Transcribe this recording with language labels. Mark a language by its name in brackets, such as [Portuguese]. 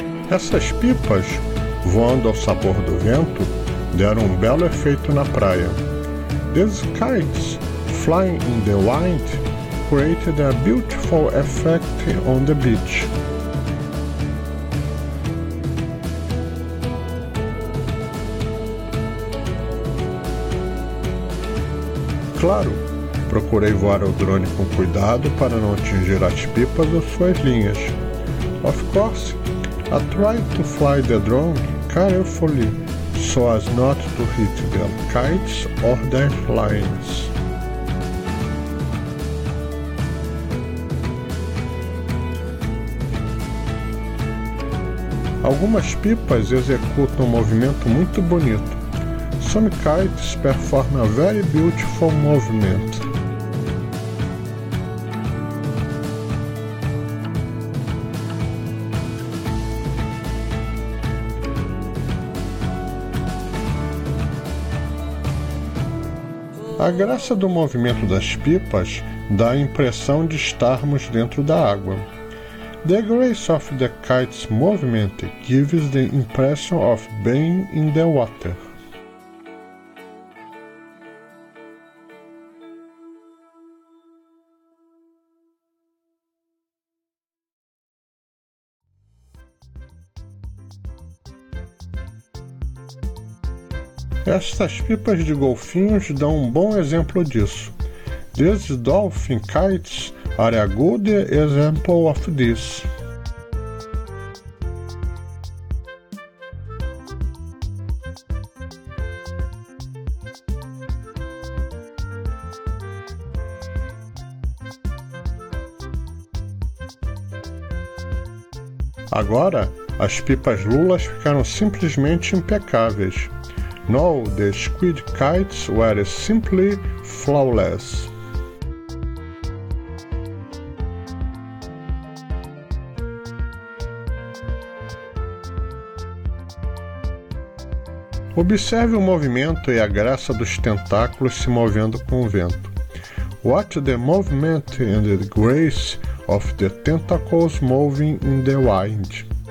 [Portuguese] Essas pipas, voando ao sabor do vento, deram um belo efeito na praia. [English] These kites, flying in the wind, created a beautiful effect on the beach. [Portuguese] Claro, procurei voar o drone com cuidado para não atingir as pipas ou suas linhas. [English] Of course, I tried to fly the drone carefully so as not to hit the kites or their lines. [Portuguese] Algumas pipas executam um movimento muito bonito. [English] Some kites perform a very beautiful movement. [Portuguese] A graça do movimento das pipas dá a impressão de estarmos dentro da água. [English] The grace of the kite's movement gives the impression of being in the water. [Portuguese] Estas pipas de golfinhos dão um bom exemplo disso. [English] These dolphin kites are a good example of this. [Portuguese] Agora, as pipas lulas ficaram simplesmente impecáveis. [English] No, the squid kites were simply flawless. [Portuguese] Observe o movimento e a graça dos tentáculos se movendo com o vento. [English] Watch the movement and the grace of the tentacles moving in the wind.